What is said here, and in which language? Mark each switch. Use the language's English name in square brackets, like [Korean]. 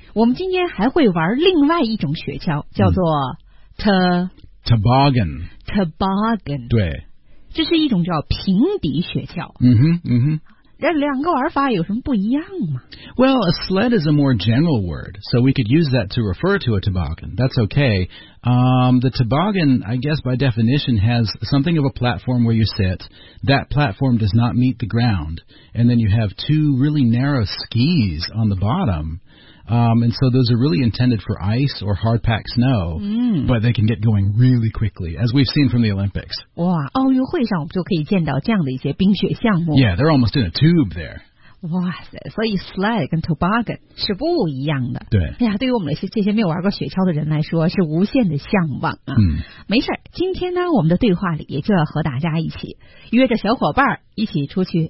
[Chinese] 我们今天还会玩另外一种雪橇，叫做 [English] toboggan。 toboggan。 [Chinese] 对。这是一种叫平底雪橇。那两个玩法有什么不一样吗？ [English] Well, a sled is a more general word, so we could use that to refer to a toboggan. That's okay. The toboggan, I guess by definition, has something of a platform where you sit. That platform does not meet the ground. And then you have two really narrow skis on the bottom. And so those are really intended for ice or hard packed snow, but they can get going really quickly, as we've seen from the Olympics. [Chinese] 哇，奥运会上我们就可以见到这样的一些冰雪项目。 [English] Yeah, they're almost in a tube there. [Chinese] 哇塞，所以 slide 跟 toboggan 是不一样的。对，哎呀，对于我们这些没有玩过雪橇的人来说，是无限的向往啊。嗯，没事，今天呢，我们的对话里就要和大家一起约着小伙伴一起出去。